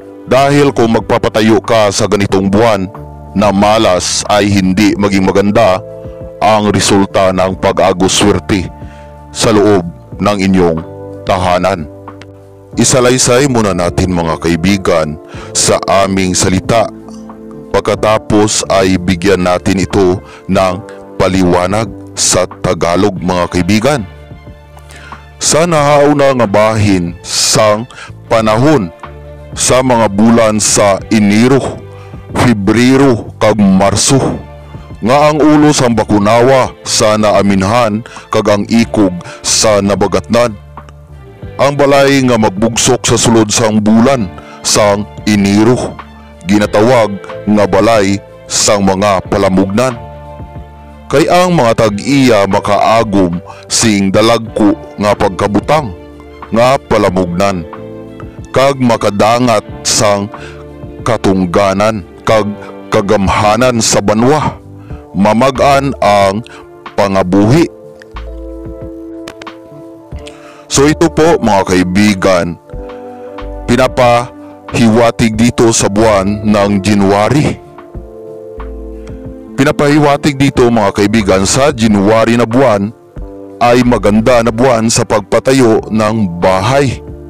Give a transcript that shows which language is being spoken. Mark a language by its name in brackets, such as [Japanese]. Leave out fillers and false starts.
[Filipino] Dahil kung magpapatayo ka sa ganitong buwan na malas ay hindi maging maganda ang resulta ng pag-agoswerte sa loob ng inyong tahanan. Isalaysay muna natin, mga kaibigan, sa aming salita. Pagkatapos ay bigyan natin ito ng paliwanag sa Tagalog, mga kaibigan. [Hiligaynon] Sa nahauna nga bahin sang panahon sa mga bulan sa Enero, Febrero kag Marso, nga ang ulo sang bakunawa sana aminhan kag ang ikog sa nabagatnan. Ang balay nga magbugsok sa sulod sang bulan sang Enero ginatawag nga balay sang mga palamugnan. Kay ang mga tag-iya makaagom sing dalagko nga pagkabutang nga palamugnan kag makadangat sang katungganan kag kagamhanan sa banwa mamag-an ang pangabuhi. [Filipino] So ito po, mga kaibigan, pinapa hiwatig dito sa buwan ng January. Pinapahiwatig dito, mga kaibigan, sa January na buwan ay maganda na buwan sa pagpatayo ng bahay.